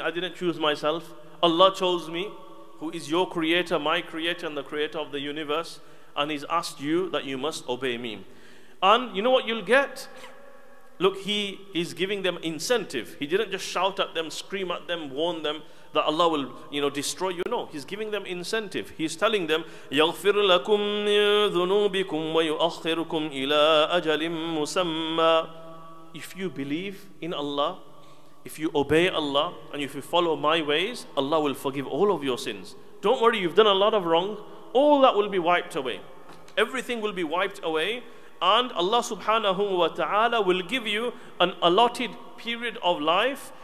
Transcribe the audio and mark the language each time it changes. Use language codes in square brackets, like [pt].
[en] I didn't choose myself. Allah chose me, who is your creator, my creator, and the creator of the universe. And he's asked you that you must obey me. And you know what you'll get? Look, he is giving them incentive. He didn't just shout at them, scream at them, warn them that Allah will, you know, destroy you. No, he's giving them incentive. He's telling them, [ar] يغفر لكم ذنوبكم ويؤخركم إلى أجل مسمى. [en] If you believe in Allah, If you obey Allah and if you follow my ways, Allah will forgive all of your sins. Don't worry, you've done a lot of wrong. All that will be wiped away. Everything will be wiped away. And Allah subhanahu wa ta'ala will give you an allotted period of life.